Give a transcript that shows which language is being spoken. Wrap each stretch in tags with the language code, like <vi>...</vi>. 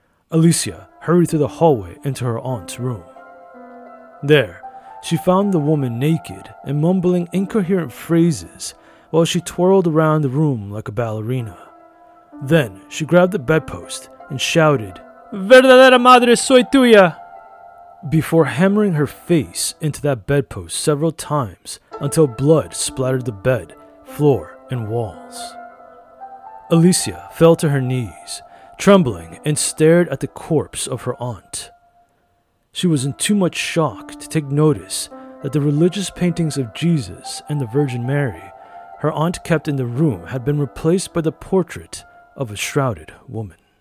<en>Alicia hurried through the hallway into her aunt's room. There, she found the woman naked and mumbling incoherent phrases while she twirled around the room like a ballerina. Then, she grabbed the bedpost and shouted,</en> <es>"Verdadera madre soy tuya!"</es> <en>before hammering her face into that bedpost several times until blood splattered the bed, floor, and walls. Alicia fell to her knees, trembling, and stared at the corpse of her aunt. She was in too much shock to take notice that the religious paintings of Jesus and the Virgin Mary her aunt kept in the room had been replaced by the portrait of a shrouded woman.</en>